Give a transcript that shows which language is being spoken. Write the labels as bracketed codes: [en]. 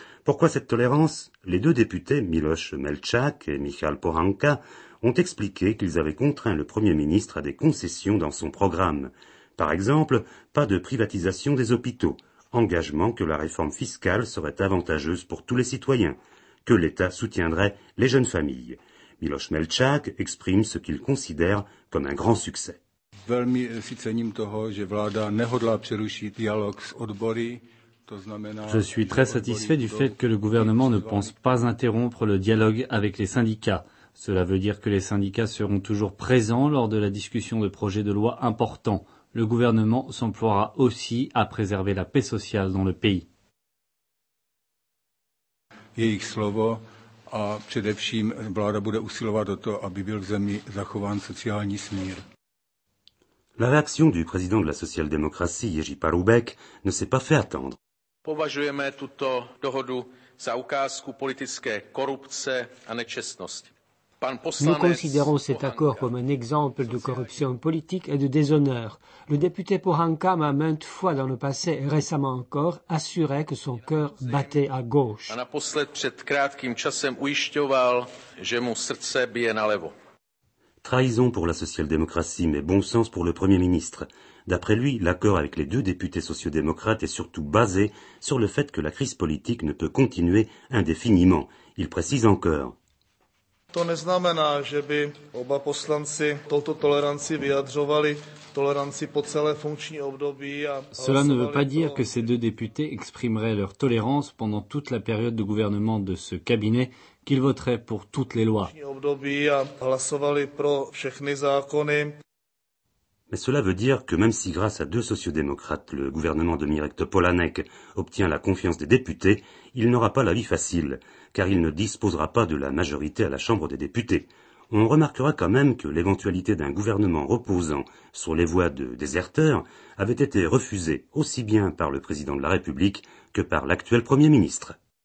[fr] Pourquoi cette tolérance? Les deux députés, Miloš Melčak et Michal Pohanka, ont expliqué qu'ils avaient contraint le Premier ministre à des concessions dans son programme. Par exemple, pas de privatisation des hôpitaux, engagement que la réforme fiscale serait avantageuse pour tous les citoyens, que l'État soutiendrait les jeunes familles. Miloš Melčák exprime ce qu'il considère comme un grand succès. [cs] Velmi si cením toho, že vláda nehodlá přerušit dialog s odbory. [fr] Je suis très satisfait du fait que le gouvernement ne pense pas interrompre le dialogue avec les syndicats. Cela veut dire que les syndicats seront toujours présents lors de la discussion de projets de loi importants. Le gouvernement s'emploiera aussi à préserver la paix sociale dans le pays. [cs] Jejich slovo a především vláda bude usilovat o to, aby byl v zemi zachován sociální smír. [fr] La réaction du président de la social-démocratie, Jiří Paroubek, ne s'est pas fait attendre. [cs] Považujeme tuto dohodu za ukázku politické korupce a nečestnosti. [fr] Nous considérons cet accord comme un exemple de corruption politique et de déshonneur. Le député Pohanka m'a maintes fois dans le passé et récemment encore assuré que son cœur battait à gauche. [cs] A naposled před krátkým časem ujišťoval, že mu srdce bije na levo. [fr] Trahison pour la social-démocratie, mais bon sens pour le Premier ministre. D'après lui, l'accord avec les deux députés sociaux-démocrates est surtout basé sur le fait que la crise politique ne peut continuer indéfiniment. Il précise encore. [cs] To neznamená, že by oba poslanci touto toleranci vyjadřovali toleranci po celé funkční období a [fr] cela ne veut pas dire que ces deux députés exprimeraient leur tolérance pendant toute la période de gouvernement de ce cabinet, qu'ils voteraient pour toutes les lois. [cs] A hlasovali pro všechny zákony. [fr] Mais cela veut dire que même si grâce à deux sociaux-démocrates, le gouvernement de Mirek Topolánek obtient la confiance des députés, il n'aura pas la vie facile, car il ne disposera pas de la majorité à la Chambre des députés. On remarquera quand même que l'éventualité d'un gouvernement reposant sur les voix de déserteurs avait été refusée aussi bien par le président de la République que par l'actuel Premier ministre.